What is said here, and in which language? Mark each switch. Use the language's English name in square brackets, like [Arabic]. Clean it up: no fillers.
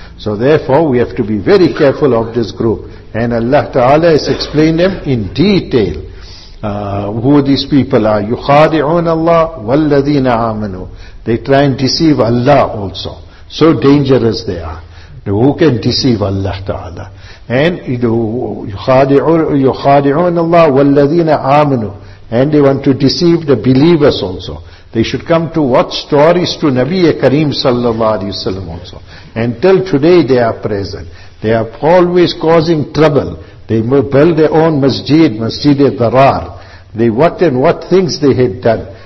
[English] So therefore, we have to be very careful of this group. And Allah Ta'ala has explained them in detail. Who these people are. [Arabic] يُخَادِعُونَ اللَّهِ وَالَّذِينَ آمَنُوا. [English] They try and deceive Allah also. So dangerous they are. Who can deceive Allah Ta'ala? [Arabic] And يُخَادِعُونَ اللَّهِ وَالَّذِينَ آمَنُوا. [English] And they want to deceive the believers also. They should come to watch stories to Nabi Kareem sallallahu alayhi wa sallam also. Until today they are present. They are always causing trouble. They built their own masjid, Masjid-e-Dharar. What things they had done.